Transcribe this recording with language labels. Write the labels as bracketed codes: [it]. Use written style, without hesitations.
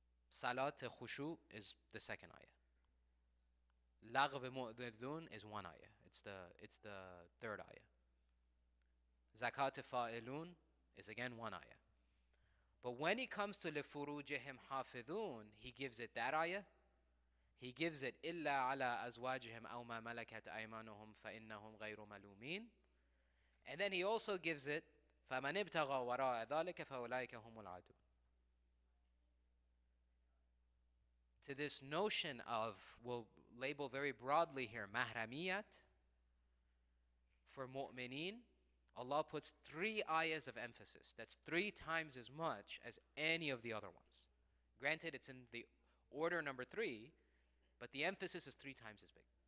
[en] Salat khushu is the second ayah. [ar] لغو مؤذون [en] is one ayah. It's the third ayah. Zakat fa'ilun is again one ayah. But when he comes to [ar] لفروجهم حافظون, [en] he gives it that ayah. He gives it [ar] إلا على أزواجهم أو ما ملكت أيمانهم فإنهم غير ملومين. [en] And then he also gives it [ar] فَمَنِ ابْتَغَى وَرَاءَ ذَلِكَ فَأُولَٰئِكَ هُمُ الْعَدُونَ. [en] To this notion of, we'll label very broadly here, mahramiyat, for mu'mineen, Allah puts three ayahs of emphasis. That's three times as much as any of the other ones. Granted, it's in the order number three, but the emphasis is three times as big.